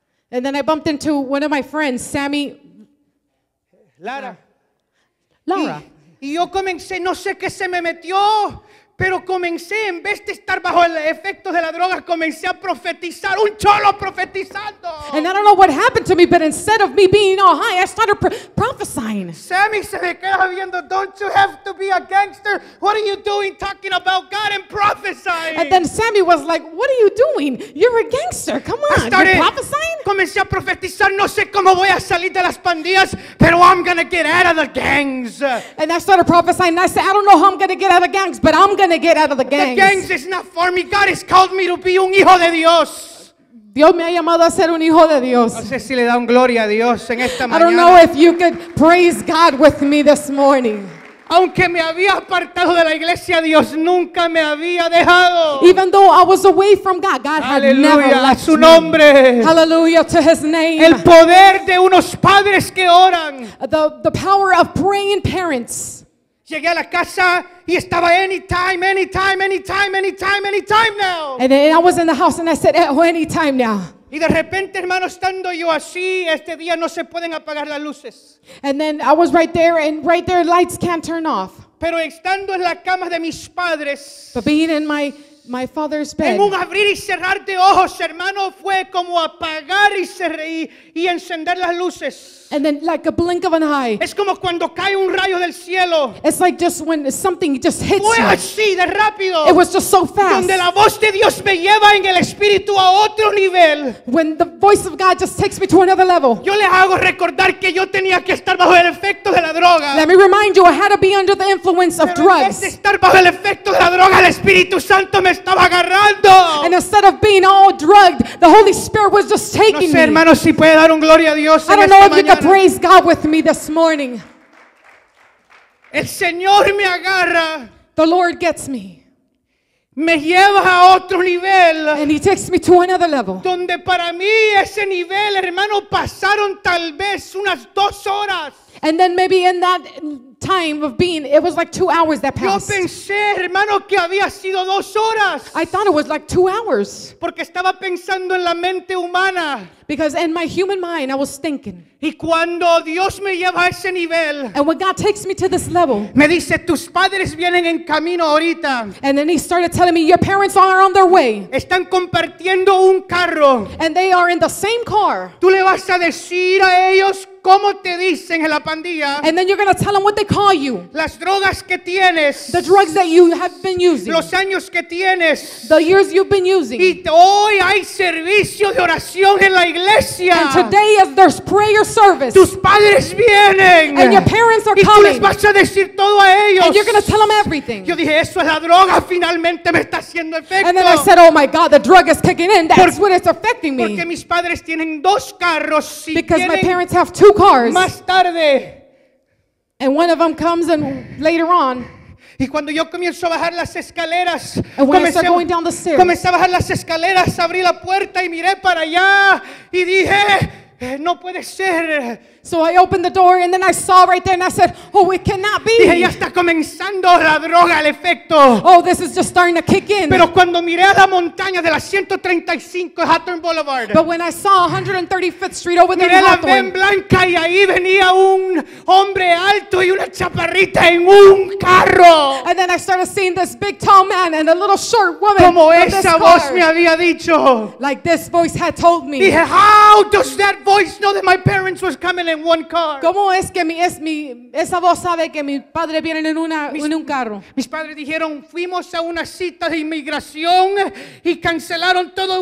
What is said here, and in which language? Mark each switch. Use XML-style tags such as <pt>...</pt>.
<en>And then I bumped into one of my friends, Sammy Lara. Lara.</en> <es>Y yo comencé, no sé qué se me metió, pero comencé, en vez de estar bajo el efecto de la droga, comencé a profetizar, un cholo profetizando.</es> <en>And I don't know what happened to me, but instead of me being all high, I started prophesying.</en> <es>Sammy se me queda viendo,</es> <en>don't you have to be a gangster? What are you doing talking about God and prophesying? And then Sammy was like, what are you doing? You're a gangster, come on, started, you're prophesying?</en> <es>Comencé a profetizar, no sé cómo voy a salir de las pandillas, pero</es> <en>I'm going to get out of the gangs. And I started prophesying, and I said, I don't know how I'm going to get out of the gangs, but I'm going to get out of the gangs. The gangs is not for me. God has called me to be</en> <es>un hijo de Dios. Dios me ha llamado a ser un hijo de Dios. No sé si le da un gloria a Dios en esta mañana.</es> <en>I don't know if you could praise God with me this morning.</en> <es>Aunque me había apartado de la iglesia, Dios nunca me había dejado.</es> <en>Even though I was away from God, God Hallelujah, had never left</en> <es>a su nombre.</es> <en>Me. Hallelujah to his name.</en> <es>El poder de unos padres que oran.</es> <en>The power of praying parents.</en> <es>Llegué a la casa y estaba</es> <en>anytime now. And then I was in the house and I said, anytime now.</en> <es>Y de repente, hermano, estando yo así, este día no se pueden apagar las luces.</es> <en>And then I was right there and right there lights can't turn off.</en> <es>Pero estando en la cama de mis padres.</es> <en>But being in my father's bed.</en> <es>En un abrir y cerrar de ojos, hermano, fue como apagar y cerrar y encender las luces.</es> <en>And then like a blink of an eye.</en> <es>Es como cuando cae un rayo del cielo.</es> <en>It's like just when something just hits</en> <es>fue así de rápido.</es> <en>It was just so fast.</en> <es>Donde la voz de Dios me lleva en el espíritu a otro nivel.</es> <en>When the voice of God just takes me to another level.</en> <es>Yo les hago recordar que yo tenía que estar bajo el efecto de la droga.</es> <en>Let me remind you, I had to be under the influence of drugs.</en> <es>Pero en vez de estar bajo el efecto de la droga, el Espíritu Santo me estaba agarrando.</es> <en>And instead of being all drugged, the Holy Spirit was just taking</en> <es>No sé, hermano, si puede dar un gloria a Dios en</es> <en>I don't</en> <es>esta</es> <en>know</en> <es>mañana.</es> <en>Praise God with me this morning.</en> <es>El Señor me agarra.</es> <en>The Lord gets me.</en> <es>Me lleva a otro nivel.</es> <en>And he takes me to another level.</en> <es>Donde para mí ese nivel, hermano, pasaron tal vez unas dos horas.</es> <en>And then maybe in that time of being, it was like 2 hours that passed.</en> <es>Yo pensé, hermano, que había sido dos horas.</es> <en>I thought it was like 2 hours.</en> <es>Porque estaba pensando en la mente humana.</es> <en>Because in my human mind, I was thinking.</en> <es>Y cuando Dios me lleva a ese nivel,</es> <en>and when God takes me to this level,</en> <es>me dice, tus padres vienen en camino ahorita.</es> <en>And then he started telling me, your parents are on their way.</en> <es>Están compartiendo un carro.</es> <en>And they are in the same car.</en> <es>Tú le vas a decir a ellos cómo te dicen en la pandilla.</es> <en>And then you're going to tell them what they call you.</en> <es>Las drogas que tienes.</es> <en>The drugs that you have been using.</en> <es>Los años que tienes.</es> <en>The years you've been using.</en> <es>Y hoy hay servicio de oración en la iglesia.</es> <en>And today is there's prayer service.</en> <es>Tus padres vienen.</es> <en>And your parents are coming.</en> <es>Y tú les vas a decir todo a ellos.</es> <en>And you're going to tell them everything.</en> <es>Yo dije, eso es la droga, finalmente me está haciendo efecto.</es> <en>And then I said, oh my God, the drug is kicking in. That's what it's affecting me.</en> <es>Porque mis padres tienen dos carros.</es> <en>Because my parents have two cars.</en> <es>Más tarde.</es> <en>And one of them comes and later on.</en> <es>Y cuando yo comienzo a bajar las escaleras, comencé a bajar las escaleras, abrí la puerta y miré para allá y dije, no puede ser.</es> <en>So I opened the door and then I saw right there and I said, oh, it cannot be.</en> <es>Dije, ya está comenzando la droga, el efecto.</es> <en>Oh, this is just starting to kick in.</en> <es>Pero cuando miré a la montaña de la 135 Hawthorne Boulevard,</es> <en>but when I saw 135th Street over there</en> <es>in Hawthorne, miré la ven blanca y ahí venía un hombre alto y una chaparrita en un carro.</es> <en>And then I started seeing this big tall man and a little short woman.</en> <es>Como esa voz me había dicho.</es> <en>Like this voice had told me. Dije, how does that voice know that my parents was coming in one car?</en> <es>¿Cómo es que esa voz sabe que mi padre viene en un carro? Mis padres dijeron, fuimos a una cita de inmigración y cancelaron todo.</es>